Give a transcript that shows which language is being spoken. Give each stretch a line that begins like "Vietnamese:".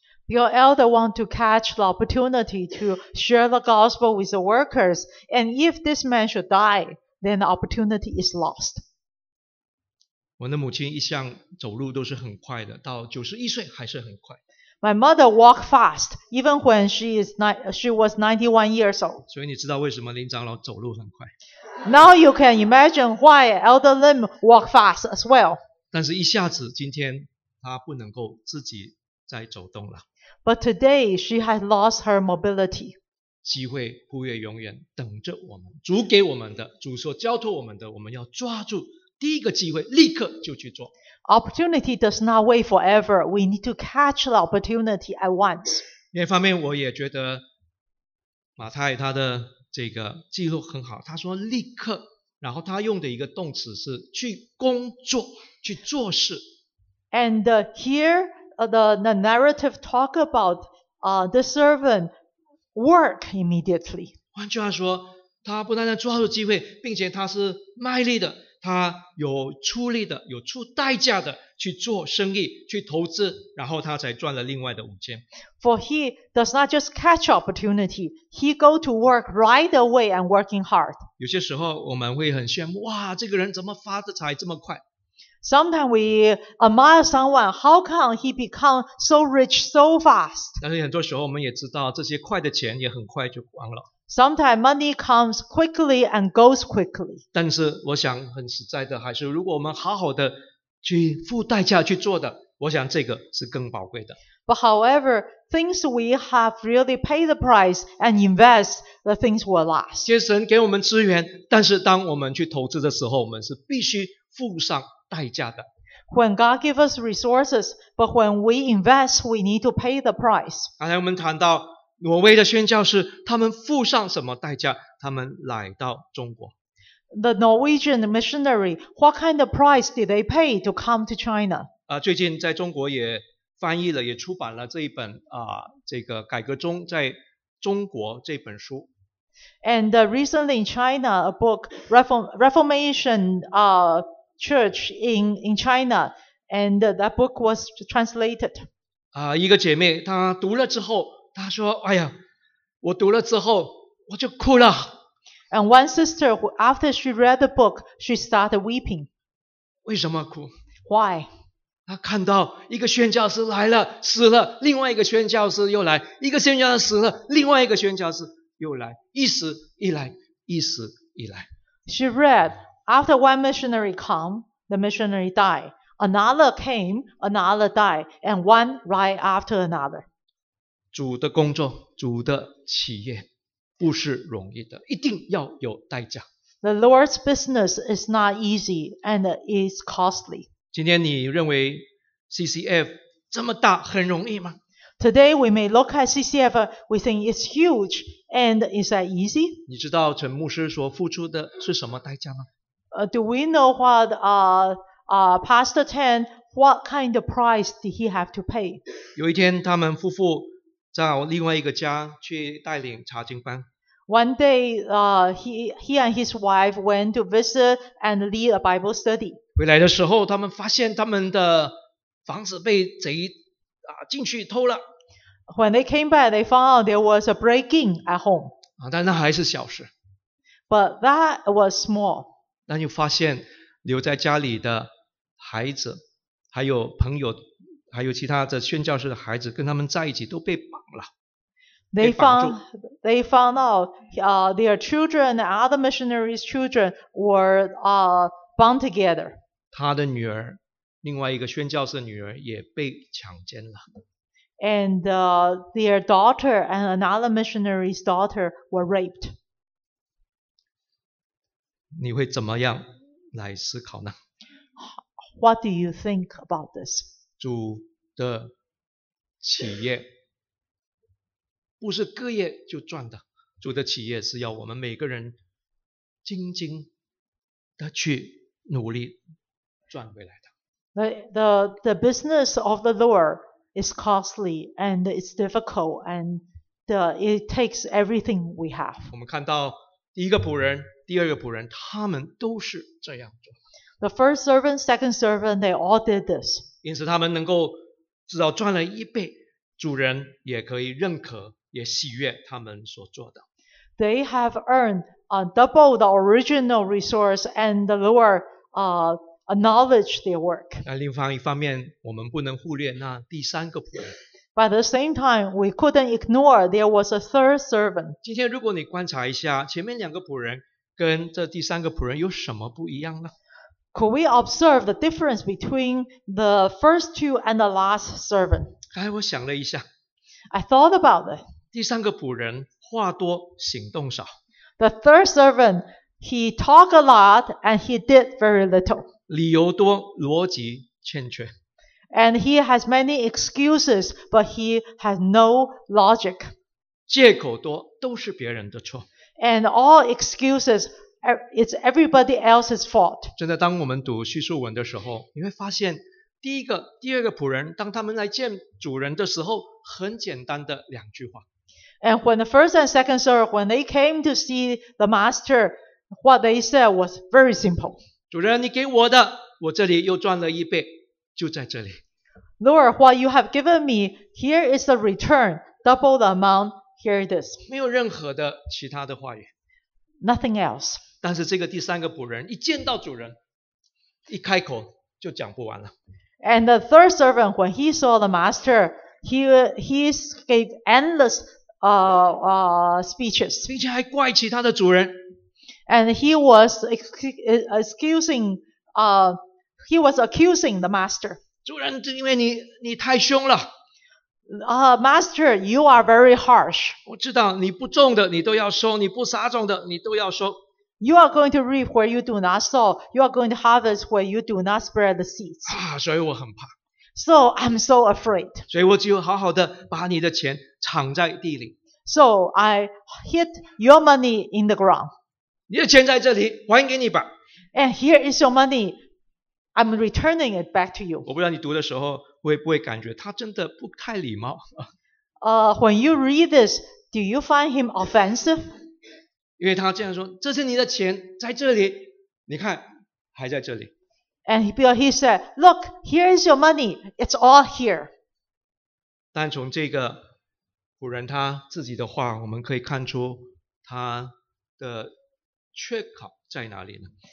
English: Your elder want to catch the opportunity to share the gospel with the workers, and if this man should die, then the opportunity is lost.
Chinese: 我的母亲一向走路都是很快的，到91岁还是很快。
English: My mother walked fast, even when she was 91 years old.
Chinese: 所以你知道为什么林长老走路很快。
English: Now you can imagine why Elder Lim walked fast as well.
Chinese: 但是一下子今天她不能够自己再走动了。
English: But today she has lost her mobility.
Chinese: 机会不会永远等着我们，主给我们的，主所交托我们的，我们要抓住第一个机会，立刻就去做。
English: Opportunity does not wait forever. We need to catch the opportunity at once.
Chinese: 另一方面我也觉得马太他的这个记录很好，他说立刻，然后他用的一个动词是去工作，去做事。
English: And here the narrative talk about the servant work immediately.
Chinese: 换句话说，他不单单抓住机会，并且他是卖力的，他有出力的，有出代价的去做生意，去投资，然后他才赚了另外的5000。
English: For he does not just catch opportunity, he go to work right away and working hard.
Chinese: 有些时候我们会很羡慕，哇，这个人怎么发的财这么快？
English: Sometimes we admire someone. How come he become so rich so fast?
Chinese: 但是很多时候我们也知道，这些快的钱也很快就光了。
English: Sometimes money comes quickly and goes quickly.
Chinese: 但是我想很实在的，还是如果我们好好的去付代价去做的，我想这个是更宝贵的。
English: But however, things we have really paid the price and invest, the things will last.
Chinese: 其实神给我们资源，但是当我们去投资的时候，我们是必须付上代价的。
English: When God gives us resources, but when we invest, we need to pay the price.
Chinese: 刚才我们谈到挪威的宣教士，他们付上什么代价？他们来到中国。
English: The Norwegian missionary, what kind of price did they pay to come to China?
Chinese: 最近在中国也翻译了也出版了这一本这个改革中在中国这本书。
English: And recently in China, a book, Reformation Church in China, and that book was translated.
Chinese: 一个姐妹她读了之后她说哎呀我读了之后我就哭了。
English: And one sister, after she read the book, she started weeping.
Chinese: 为什么哭
English: Why?
Chinese: 她看到一个宣教师来了死了另外一个宣教师又来一个宣教师死了另外一个宣教师又来一死一来一死一来。
English: She read, after one missionary come, the missionary die. Another came, another die, and one right after another.
Chinese: 主的工作主的企业不是容易的一定要有代价。
English: The Lord's business is not easy and is costly.
Chinese: 今天你认为 CCF 这么大很容易吗？
English: Today we may look at CCF, we think it's huge, and is that easy?
Chinese: 你知道陈牧师所付出的是什么代价吗？
English: Do we know what Pastor Tan, what kind of price did he have to pay?
Chinese: 有一天他们夫妇到另外一个家去带领查经班。
English: One day, he and his wife went to visit and lead a Bible study.
Chinese: 回来的时候他们发现他们的房子被贼进去偷了。
English: When they came back, they found out there was a break-in at home.
Chinese: 但那还是小事。
English: But that was small.
Chinese: 那就发现留在家里的孩子还有朋友还有其他的宣教士的孩子跟他们在一起都被绑了。
English: They found out their children and other missionaries' children were bound together.
Chinese: 他的女儿另外一个宣教士的女儿也被强奸了。
English: And their daughter and another missionary's daughter were raped.
Chinese: 你会怎么样来思考呢？
English: What do you think about this?
Chinese: 主的企业不是割业就赚的，主的企业是要我们每个人兢兢的去努力赚回来的。
English: The business of the Lord is costly and it's difficult and it takes everything we have.
Chinese: 我们看到第一个仆人第二个仆人他们都是这样做。
English: The first servant, second servant, they all did this.
Chinese: 因此他们能够至少赚了一倍主人也可以认可也喜悦他们所做的。
English: They have earned double the original resource and the Lord acknowledge their work.
Chinese: 那另外一方面我们不能忽略那第三个仆人。
English: By the same time, we couldn't ignore there was a third servant.
Chinese: 今天如果你观察一下前面两个仆人跟这第三个仆人有什么不一样呢？
English: Could we observe the difference between the first two and the last servant?
Chinese: 哎，我想了一下。
English: I thought about it.
Chinese: 第三个仆人话多行动少。
English: The third servant, he talked a lot and he did very little.
Chinese: 理由多逻辑欠缺。
English: And he has many excuses, but he has no logic.
Chinese: 借口多都是别人的错。
English: And all excuses, it's everybody else's fault.
Chinese: 真的当我们读叙述文的时候你会发现第一个第二个仆人当他们来见主人的时候很简单的两句话。
English: And when the first and second servant, when they came to see the master, what they said was very simple.
Chinese: 主人你给我的我这里又赚了一倍就在这里。
English: Lord, what you have given me, here is the return, double the amount, here it is.
Chinese: 没有任何的其他的话语。
English: Nothing else.
Chinese: 但是这个第三个仆人一见到主人一开口就讲不完了。
English: And the third servant, when he saw the master, he gave endless speeches.
Chinese: 并且还怪其他的主人。
English: And he was accusing the master.
Chinese: 主人，因为你太凶了。
English: Master, you are very harsh.
Chinese: 我知道你不种的你都要收，你不撒种的你都要收。
English: You are going to reap where you do not sow. You are going to harvest where you do not spread the seeds.
Chinese: 所以我很怕。
English: So I'm so afraid.
Chinese: 所以我只有好好的把你的钱藏在地里。
English: So I hid your money in the ground.
Chinese: 你的钱在这里还给你吧。
English: And here is your money. I'm returning it back to you.
Chinese: 我不知道你读的时候会不会感觉他真的不太礼貌?
English: When you read this, do you find him offensive?
Chinese: 因为他这样说, 这是你的钱, 在这里, 你看, 还在这里。
English: And he said, look, here is your money, it's all here.
Chinese: 但从这个仆人他自己的话, 我们可以看出他的缺口在哪里呢?